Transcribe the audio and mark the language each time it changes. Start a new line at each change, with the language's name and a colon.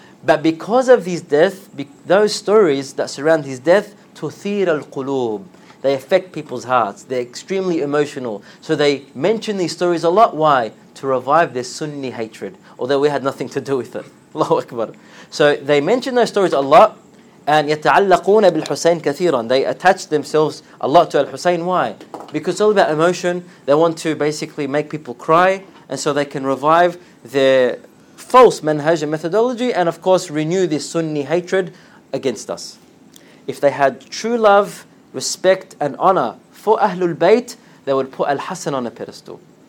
English: But because of his death, those stories that surround his death,
Arabic: تثير القلوب.
English: They affect people's hearts. They're extremely emotional. So they mention these stories a lot. Why? To revive their Sunni hatred. Although we had nothing to do with it. Allahu Akbar. So they mention those stories a lot. And
Arabic: يتعلقون بالحسين كثيرا.
English: They attach themselves a lot to Al-Husayn. Why? Because it's all about emotion. They want to basically make people cry. And so they can revive their false manhaj and methodology. And of course renew this Sunni hatred against us. If they had true love, respect and honor for Ahlul Bayt, they would put Al-Hasan on a pedestal.